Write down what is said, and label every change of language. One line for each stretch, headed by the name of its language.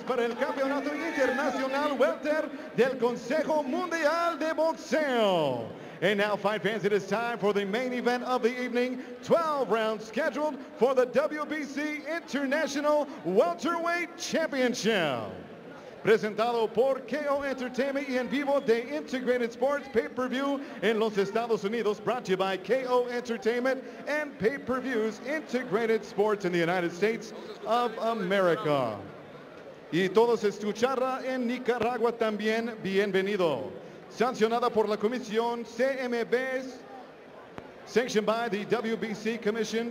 Spanish: Para el campeonato internacional welter del Consejo Mundial de Boxeo.
English: And now, Fight Fans, it is time for the main event of the evening. 12 rounds scheduled for the WBC International Welterweight Championship.
Spanish: Presentado por KO Entertainment y en vivo de Integrated Sports Pay-Per-View en los Estados Unidos.
English: Brought to you by KO Entertainment and Pay-Per-View's Integrated Sports in the United States of America.
Spanish: Y todos escucharla en Nicaragua también. Bienvenido. Sancionada por la Comisión CMB.
English: Sanctioned by the WBC Commission.